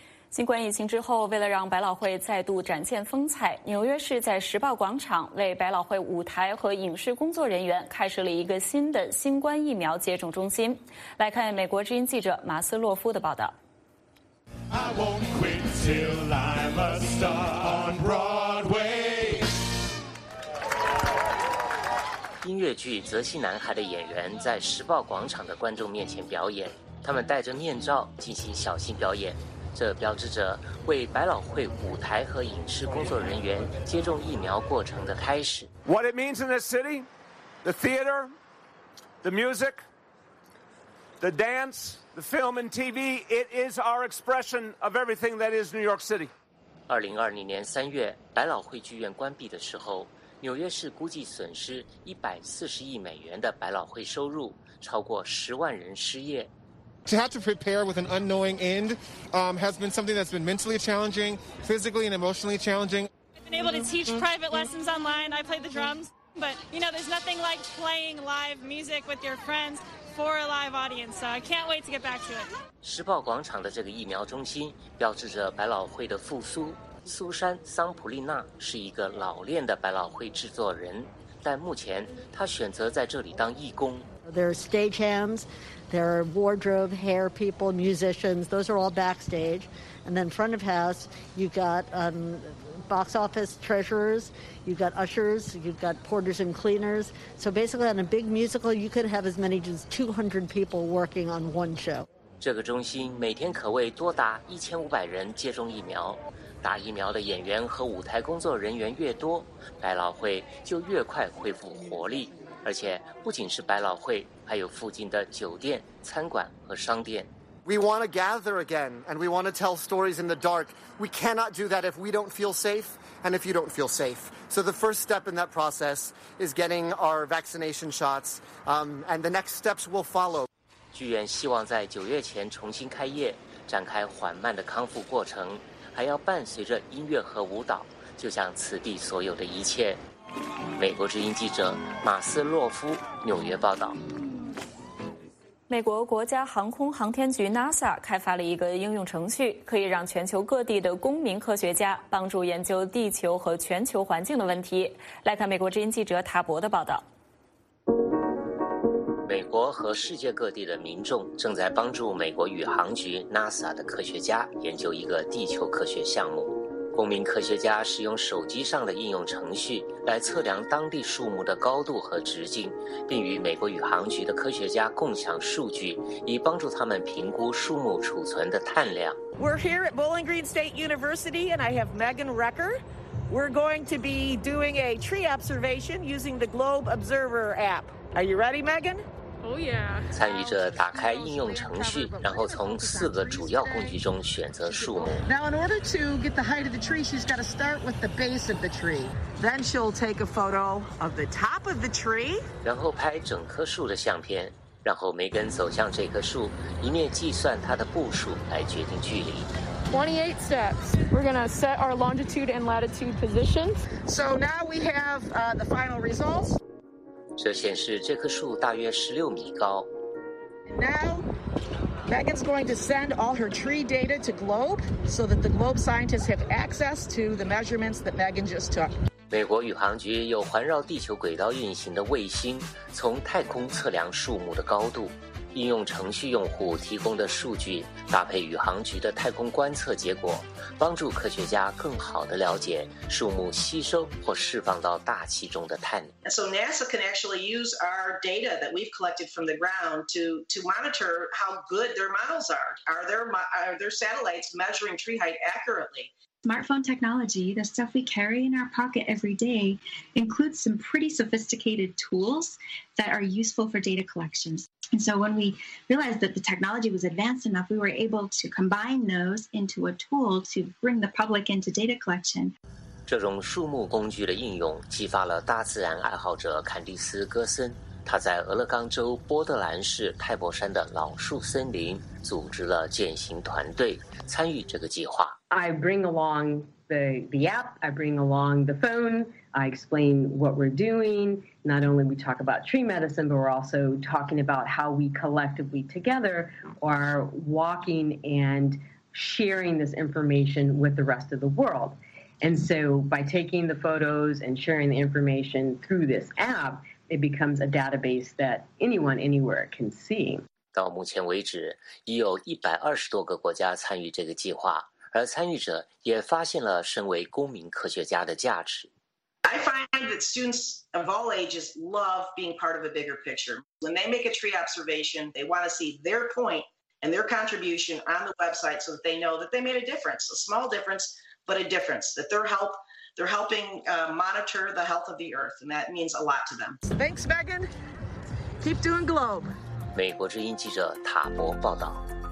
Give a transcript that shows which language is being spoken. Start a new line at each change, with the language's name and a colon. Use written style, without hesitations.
Chinese: 新冠疫情之后，为了让百老汇再度展现风采，纽约市在时报广场为百老汇舞台和影视工作人员开设了一个新的新冠疫苗接种中心。来看美国之音记者马斯洛夫的报道。
English: I won't quit till I'm a star on Broadway。
Chinese: 音乐剧《泽西男孩》的演员在时报广场的观众面前表演，他们戴着面罩进行小型表演，这标志着为百老汇舞台和影视工作人员接种疫苗过程的开始。
English: What it means in this city, the theater, the music, the dance, the film and TV, it is our expression of everything that is New York City.
Chinese: 2020年3月，百老汇剧院关闭的时候，纽约市估计损失140亿美元的百老汇收入，超过10万人失业。
English: To have to prepare with an unknowing end, has been something that's been mentally challenging, physically and emotionally challenging. I've been able to teach private lessons online. I play the drums, but you know, there's nothing like playing live music with your friends for a live audience. So I can't wait to get back to it.
Chinese: 时报广场的这个疫苗中心标志着百老汇的复苏。苏珊·桑普利纳是一个老练的百老汇制作人，但目前她选择在这里当义工。
English: There are stagehands, there are wardrobe, hair people, musicians. Those are all backstage, and then front of house, you've got box office treasurers, you've got ushers, you've got porters and cleaners. So basically, on a big musical, you could have as many as 200 people working on one show.
Chinese: 这个中心每天可为多达1500人接种疫苗。打疫苗的演员和舞台工作人员越多，百老汇就越快恢复活力。而且不仅是百老汇，还有附近的酒店、餐馆和商店。
English: We want to gather again, and we want to tell stories in the dark. We cannot do that if we don't feel safe, and if you don't feel safe. So the first step in that process is getting our vaccination shots, and the next steps will follow.
Chinese: 剧院希望在9月前重新开业，展开缓慢的康复过程，还要伴随着音乐和舞蹈，就像此地所有的一切。美国之音记者马斯洛夫纽约报道。美国国家航空航天局 NASA 开发了一个应用程序，可以让全球各地的公民科学家帮助研究地球和全球环境的问题。来看美国之音记者塔博的报道。美国和世界各地的民众正在帮助美国宇航局 NASA 的科学家研究一个地球科学项目。公民科学家使用手机上的应用程序来测量当地树木的高度和直径，并与美国宇航局的科学家共享数据，以帮助他们评估树木储存的碳量。
English: We're here at Bowling Green State University, and I have Megan Recker. We're going to be doing a tree observation using the Globe Observer app. Are you ready, Megan?
Chinese: 参与者打开应用程序，然后从四个主要工具中选择树木。
English: Now, in order to get the height of the tree, she's got to start with the base of the tree. Then she'll take a photo of the top of the tree.
Chinese: 然后拍整棵树的相片，然后梅根走向这棵树，一面计算它的步数来决定距离。
English: 28 steps. We're going to set our longitude and latitude positions. So now we have the final results.
Chinese: 这显示这棵树大约16米高。
English: Now, Megan's going to send all her tree data to Globe, so that the Globe scientists have access to the measurements that Megan just took.
Chinese: 美国宇航局有环绕地球轨道运行的卫星，从太空测量树木的高度。应用程序用户提供的数据搭配宇航局的太空观测结果，帮助科学家更好地了解树木吸收或释放到大气中的碳。
English: So NASA can actually use our data that we've collected from the ground to monitor how good their models are. Are their satellites measuring tree height accurately? Smartphone technology, the stuff we carry in our pocket every day, includes some pretty sophisticated tools that are useful for data collections. And so when we realized that the technology was advanced enough, we were able to combine those into a tool to bring the public into data collection.
Chinese: 这种树木工具的应用激发了大自然爱好者坎蒂斯·戈森。他在俄勒冈州波特兰市泰伯山的老树森林组织了践行团队参与这个计划。
English: I bring along the app, I bring along the phone, I explain what we're doing. Not only we talk about tree medicine, but we're also talking about how we collectively together are walking and sharing this information with the rest of the world. And so by taking the photos and sharing the information through this app, it becomes a database that anyone anywhere can see.
Chinese: 到目前为止，已有120多个国家参与这个计划。而参与者也发现了身为公民科学家的价值。
English: I find that students of all ages love being part of a bigger picture. When they make a tree observation, they want to see their point and their contribution on the website so that they know that they made a difference, a small difference, but a difference, that they're helping monitor the health of the earth, and that means a lot to them. Thanks, Megan. Keep doing Globe.
Chinese: 美国之音记者塔博报道。